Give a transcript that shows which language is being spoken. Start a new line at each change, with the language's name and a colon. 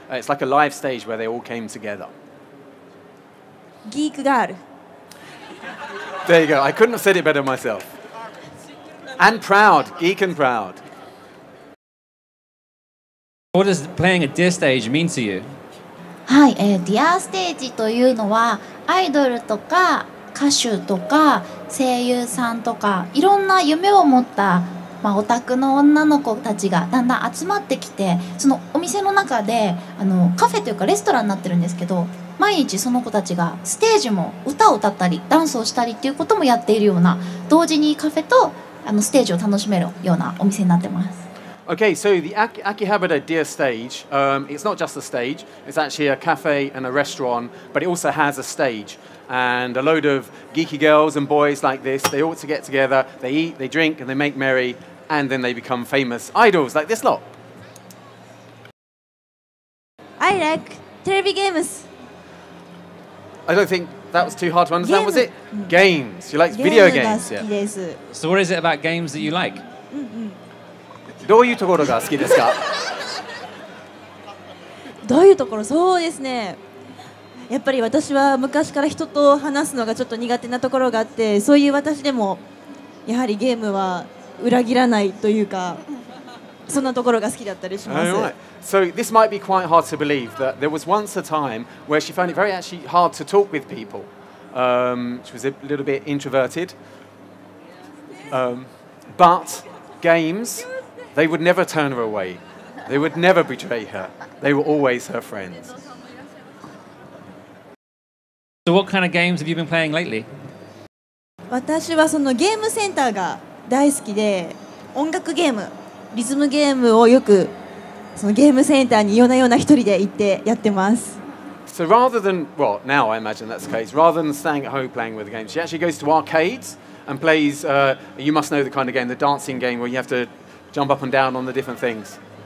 English: It's like a live stage where they all came together. Geek girl. There you go. I couldn't have said it better myself. And proud. Geek and proud. What does playing a deer stage mean to you?
Japanese: はい、ディアステージというのはアイドルとか歌手とか声優さんとかいろんな夢を持った、まあ、オタクの女の子たちがだんだん集まってきて、そのお店の中で、あのカフェというかレストランになってるんですけど、毎日その子たちがステージも歌を歌ったりダンスをしたりっていうこともやっているような、同時にカフェとあのステージを楽しめるようなお店になってます。
English: Okay, so the Akihabara Deer Stage, it's not just a stage, it's actually a cafe and a restaurant, but it also has a stageAnd a load of geeky girls and boys like this, they all get together, they eat, they drink, and they make merry, and then they become famous idols like this lot. I like television games. I don't think that was too hard to understand, was it? Games. You like video games, yeah. So what is it about games that you like?
Japanese: どういうところが好きですか? どういうところ?そうですね。やっぱり私は昔から人と話すのがちょっと苦手なところがあって、そういう私でもやはりゲームは裏切らないというか、そんなところが好きだったりします。
English: All right. So this might be quite hard to believe that there was once a time where she found it very actually hard to talk with people. She was a little bit introverted. But games, they would never turn her away. They would never betray her. They were always her friends. So what kind of games have you been playing lately?
Japanese: 私はそのゲームセンターが大好きで音楽ゲームリズムゲームをよくそのゲームセンターに夜な夜な一人で行ってやってます。
English: So rather than, well, now I imagine that's the case, rather than staying at home playing with the game, she actually goes to arcades and plays, you must know the kind of game, the dancing game where you have to jump up and down on the different things.